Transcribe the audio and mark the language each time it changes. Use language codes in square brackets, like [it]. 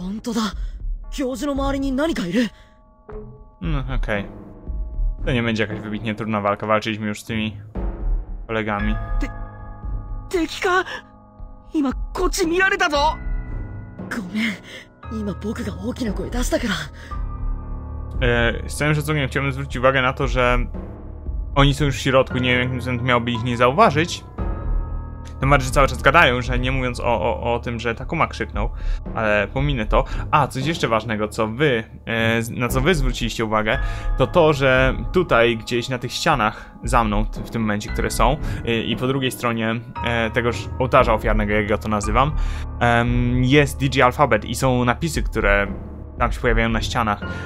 [ja] 周りに何か嫌がるぞ。本当だ。教授の周りに何かいる。 [pl] Okej. To nie będzie jakaś wybitnie trudna walka. Walczyliśmy już z tymi kolegami. [ja] Teki-ka!今こっち見られたぞ。ごめん。今僕が大きな声出したから。 [pl] Z całym szacunkiem chciałbym zwrócić uwagę na to, że oni są już w środku. Nie wiem, jakim sensem miałby ich nie zauważyć. Tym bardziej, że cały czas gadają, że nie mówiąc o tym, że Takuma krzyknął, ale pominę to. A, coś jeszcze ważnego, co wy, na co wy zwróciliście uwagę, to to, że tutaj gdzieś na tych ścianach za mną, w tym momencie, które są, i po drugiej stronie tegoż ołtarza ofiarnego, jak ja to nazywam, jest Digi Alphabet i są napisy, które tam się pojawiają na ścianach.